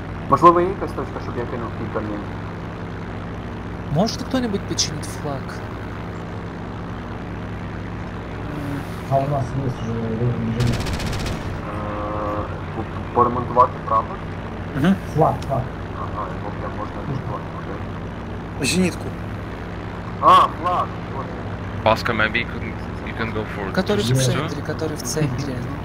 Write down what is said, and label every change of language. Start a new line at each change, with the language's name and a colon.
Ukrainian: Можливо, є якась точка, щоб я кинув кілька мін. Можете хто-небудь починити флаг? А у нас є вже інженер. Поремонтувати прапор? Флаг, так. Ага, його прям можна рештувати.
Russian: Зенитку.
Ukrainian: А, флаг.
English: Баска, maybe you can go for it.
Russian: Который в центре, который в центре.